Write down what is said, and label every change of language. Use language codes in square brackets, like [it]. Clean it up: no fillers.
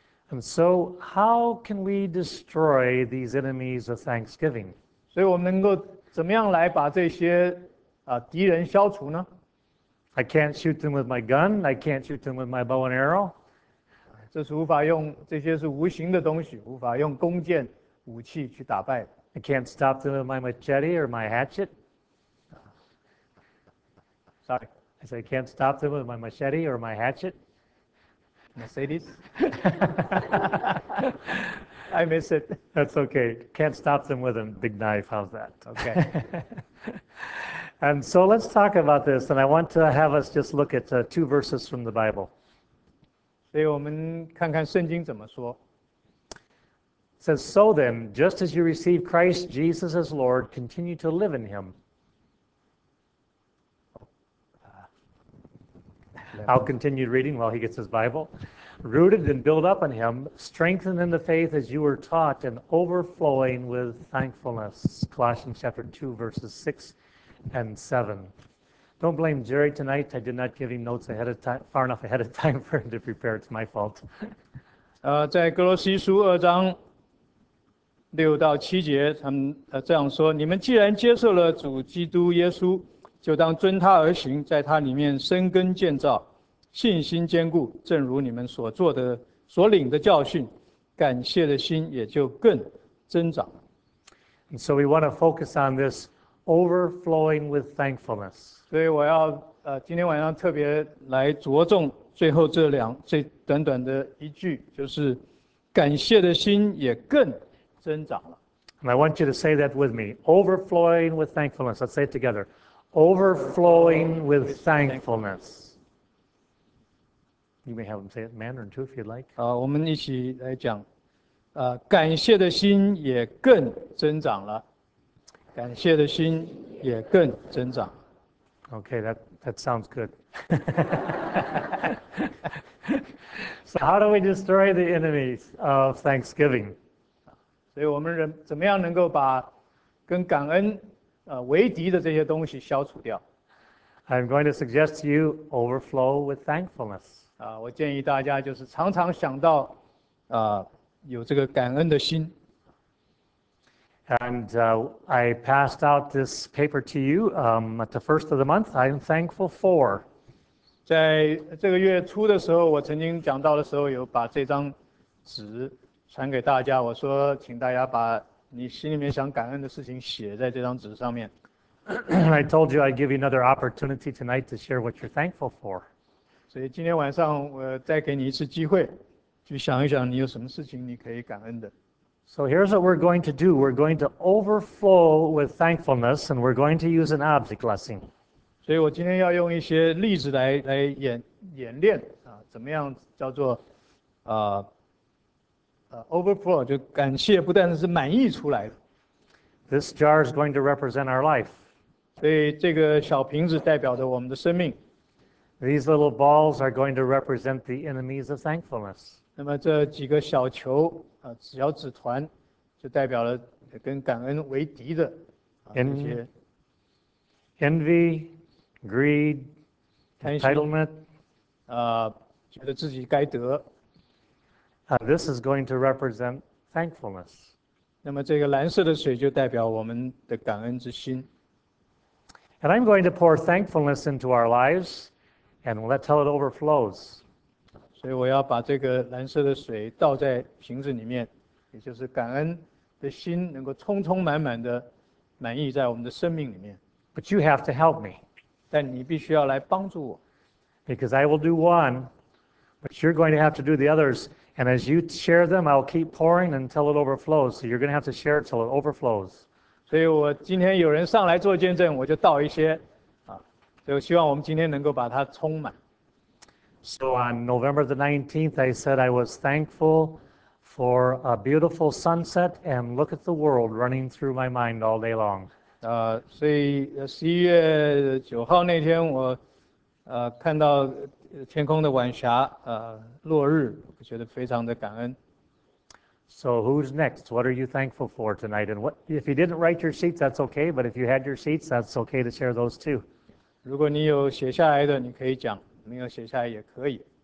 [en] And so, how can we destroy these enemies of thanksgiving? [zh] 所以我们能够怎么样来把这些敌人消除呢？ [en] I can't shoot them with my gun. I can't shoot them with my bow and arrow. [zh] 这是无法用，这些是无形的东西，无法用弓箭武器去打败。 [en] I can't stop them with my machete or my hatchet. Sorry. I said I can't stop them with my machete or my hatchet. Mercedes. I miss it. That's okay. Can't stop them with a big knife. How's that? Okay. And so let's talk about this, and I want to have us just look at two verses from the Bible. [zh] 所以我们看看圣经怎么说。 [en] It says, so then, just as you receive Christ Jesus as Lord, continue to live in him. I'll continue reading while he gets his Bible. Rooted and built up in him, strengthened in the faith as you were taught, and overflowing with thankfulness. Colossians chapter 2, verses 6. And 7. Don't blame Jerry tonight. I did not give him notes ahead of time, far enough ahead of time for him to prepare. It's my fault. [zh] 在哥罗西书二章六到七节，他们这样说：你们既然接受了主基督耶稣，就当遵他而行，在他里面生根建造，信心坚固。正如你们所做的、所领的教训，感谢的心也就更增长。 [en] And so we want to focus on this. Overflowing with thankfulness. [zh] 所以我要今天晚上特别来着重最后这短短的一句，就是感谢的心也更增长了。 [en] And I want you to say that with me. Overflowing with thankfulness. Let's say it together. Overflowing with thankfulness. You may have them say it in Mandarin too if you'd like. [zh] 我们一起来讲，感谢的心也更增长了。感谢的心也更增长。 [en] Okay, that sounds good. So how do we destroy the enemies of thanksgiving? [zh] 所以我们人怎么样能够把跟感恩为敌的这些东西消除掉？ [en] I'm going to suggest to you overflow with thankfulness. [zh] 我建议大家就是常常想到有这个感恩的心。 [en] And I passed out this paper to you at the first of the month. I'm thankful for. [zh] 在这个月初的时候，我曾经讲到的时候，有把这张纸传给大家。我说，请大家把你心里面想感恩的事情写在这张纸上面。 [en] I told you I'd give you another opportunity tonight to share what you're thankful for. [zh] 所以今天晚上我再给你一次机会，去想一想你有什么事情你可以感恩的。 [en] So here's what we're going to do. We're going to overflow with thankfulness, and we're going to use an object lesson. [zh] 所以我今天要用一些例子来演练怎么样叫做overflow 就感谢不但是满溢出来的。 [en] This jar is going to represent our life. [zh] 所以这个小瓶子代表着我们的生命。 [en] These little balls are going to represent the enemies of thankfulness. [zh] 那么这几个小球。小纸团就代表了跟感恩为敌的 [en] Envy, greed, entitlement, [zh] 觉得自己该得。 [en] This is going to represent thankfulness. [zh] 那么这个蓝色的水就代表我们的感恩之心。 [en] And I'm going to pour thankfulness into our lives, and let till it overflows. [zh] 所以我要把这个蓝色的水倒在瓶子里面，也就是感恩的心能够充充满满的满溢在我们的生命里面。 [en] But you have to help me. [zh] 但你必须要来帮助我。 [en] Because I will do one, but you're going to have to do the others. And as you share them, I'll keep pouring until it overflows. So you're going to have to share it till it overflows. [zh] 所以我今天有人上来做见证，我就倒一些，所以我希望我们今天能够把它充满。 [en] So on November the 19th, I said I was thankful for a beautiful sunset and look at the world running through my mind all day long. [zh] 所以11月9号那天我看到天空的晚霞落日，我觉得非常的感恩。 [en] So who's next? What are you thankful for tonight? And what, if you didn't write your sheets, that's okay. But if you had your sheets, that's okay to share those too. [zh] 如果你有写下来的，你可以讲；没有写下来也可以。